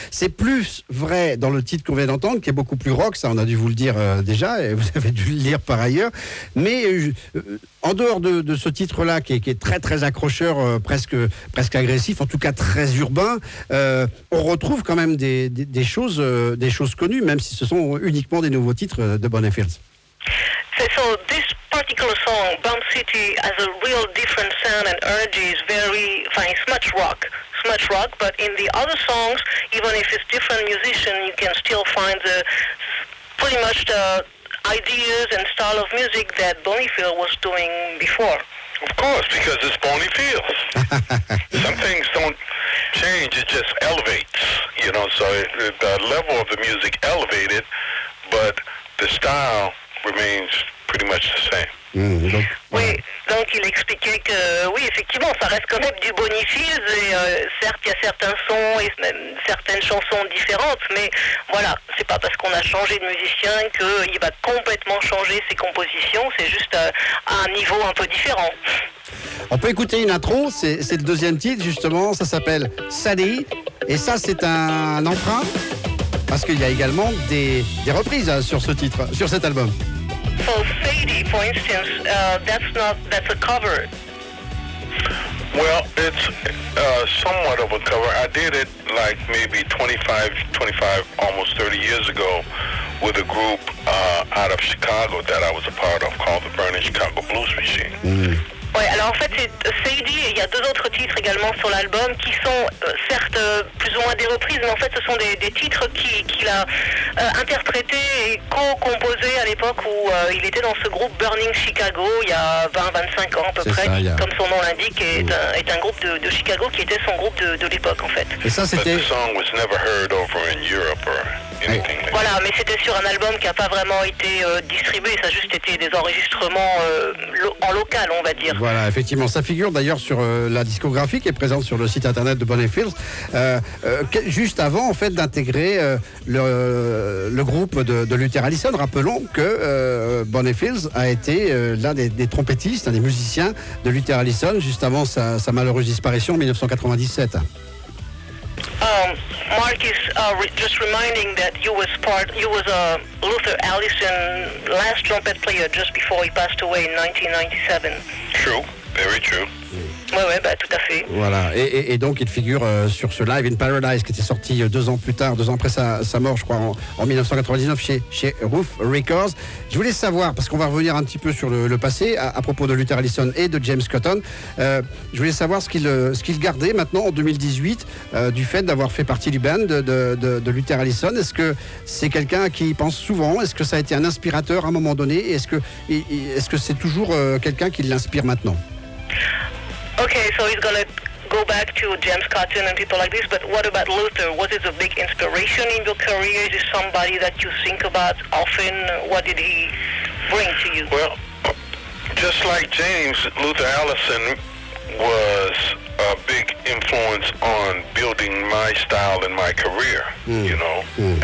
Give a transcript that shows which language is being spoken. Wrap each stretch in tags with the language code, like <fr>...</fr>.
<fr>C'est plus vrai dans le titre qu'on vient d'entendre, qui est beaucoup plus rock, ça, on a dû vous le dire déjà, et vous avez dû le lire par ailleurs. Mais en dehors de ce titre-là, qui est très, très accrocheur, presque agressif, en tout cas très urbain, on retrouve quand même des choses connues, même si ce sont uniquement des nouveaux titres de Bonnefields.</fr> <en>So this particular song, Bump City, has a real different sound and energy. Is very, fine, it's much rock. But in the other songs, even if it's different musician, you can still find the pretty much the ideas and style of music that Bonnefield was doing before. Of course, because it's Bonnefield. Some things don't change, it just elevates, you know, so the level of the music elevated, but the style remains pretty much the same.</en> <fr>Oui, donc il expliquait que oui, effectivement, ça reste quand même du Bonnefield, et certes, il y a certains sons et même certaines chansons différentes, mais voilà, c'est pas parce qu'on a changé de musicien qu'il va complètement changer ses compositions, c'est juste à un niveau un peu différent. On peut écouter une intro, c'est le deuxième titre justement, ça s'appelle Sadie, et ça c'est un emprunt, parce qu'il y a également des reprises sur ce titre, sur cet album.</fr> <en>So Sadie, for instance, that's a cover. Well, it's somewhat of a cover. I did it like maybe 25, almost 30 years ago with a group out of Chicago that I was a part of called the Burning Chicago Blues Machine. Mm.</en> <fr>Ouais, alors en fait, c'est Sadie, et il y a deux autres titres également sur l'album qui sont certes plus ou moins des reprises, mais en fait, ce sont des titres qu'il a interprétés et co-composés à l'époque où il était dans ce groupe Burning Chicago, il y a 20-25 ans à peu c'est près, ça, qui, comme son nom l'indique, est un groupe de Chicago qui était son groupe de l'époque, en fait. Et ça, c'était...</fr> <en>But the song was never heard over in Europe or...</en> <fr>Oui. Voilà, mais c'était sur un album qui n'a pas vraiment été distribué, ça a juste été des enregistrements en local, on va dire. Voilà, effectivement, ça figure d'ailleurs sur la discographie qui est présente sur le site internet de Bonnefields, juste avant en fait d'intégrer le groupe de Luther Allison. Rappelons que Bonnefields a été l'un des trompettistes, un des musiciens de Luther Allison, juste avant sa malheureuse disparition en 1997.</fr> <en>Mark is just reminding that you was Luther Allison's last trumpet player just before he passed away in 1997. True, very true.</en> <fr>Oui, ouais, bah, tout à fait. Voilà, et donc il figure sur ce Live in Paradise qui était sorti deux ans après sa mort, je crois, en 1999 chez Roof Records. Je voulais savoir, parce qu'on va revenir un petit peu sur le passé à propos de Luther Allison et de James Cotton, je voulais savoir ce qu'il gardait maintenant en 2018 du fait d'avoir fait partie du band de Luther Allison. Est-ce que c'est quelqu'un qui y pense souvent? Est-ce que ça a été un inspirateur à un moment donné? Et est-ce que c'est toujours quelqu'un qui l'inspire maintenant?</fr> <en>Okay, so he's gonna go back to James Cotton and people like this, but what about Luther? Was it a big inspiration in your career? Is it somebody that you think about often? What did he bring to you? Well, just like James, Luther Allison was a big influence on building my style and my career, you know. Mm.</en>